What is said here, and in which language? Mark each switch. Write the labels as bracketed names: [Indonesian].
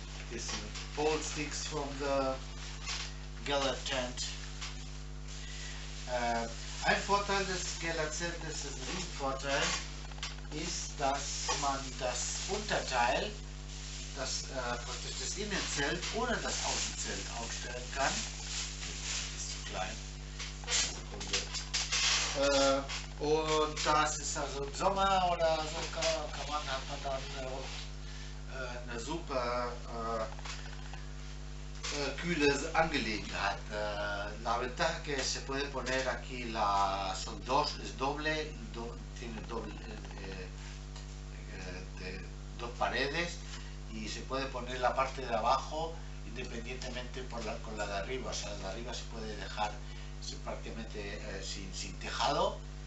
[English] This is pole sticks from the Gellert tent. [German] Ein Vorteil des Gellert Zeltes, das ist ein Riesenvorteil, ist, dass man das Unterteil, das praktisch das Innenzelt, ohne das Außenzelt aufstellen kann. Ist zu klein. Und das ist also im Sommer oder so, kann man, hat man dann eine super kühle Angelegenheit. [Spanish] La ventaja que se puede poner aquí la, son dos, es doble, do, tiene doble, de, dos paredes y se puede poner la parte de abajo independientemente por la, con la de arriba. O sea, la de arriba se puede dejar prácticamente sin tejado.